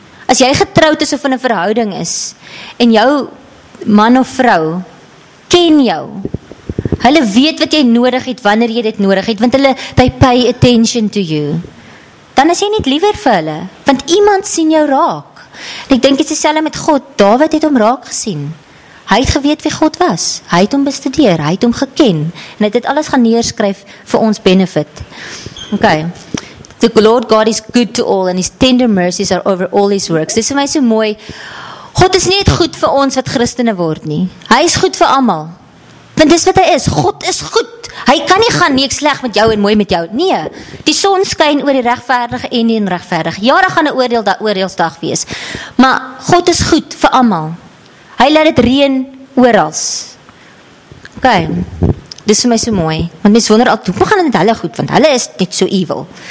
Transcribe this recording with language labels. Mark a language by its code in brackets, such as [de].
[af] As jy getroud is of in 'n verhouding is en jou man of vrou ken jou, hulle weet wat jy nodig het wanneer jy dit nodig het, want hulle [en] they pay attention to you. [af] Dan is jy net liewer vir hulle, want iemand sien jou raak. En ek dink dit is dieselfde met God. David het hom raak gesien. Hy het geweet wie God was. Hy het hom bestudeer, hy het hom geken. En hy het alles gaan neerskryf vir ons benefit. Okay. [en] The Lord God is good to all and his tender mercies are over all his works. [af] Dis vir my so mooi. God is net goed vir ons wat Christene word nie. Hy is goed vir almal. Want dis wat hy is. God is goed. Hy kan nie gaan niks sleg met jou en mooi met jou. Nee, die son skyn oor die regverdige en die onregverdige. Ja, daar gaan 'n oordeel daar oordeelsdag wees. Maar God is goed vir almal. Hy laat dit reën oral. OK. Dis vir my so mooi. Want mense wonder al, hoekom gaan dit hulle goed? Want hulle is net so evil.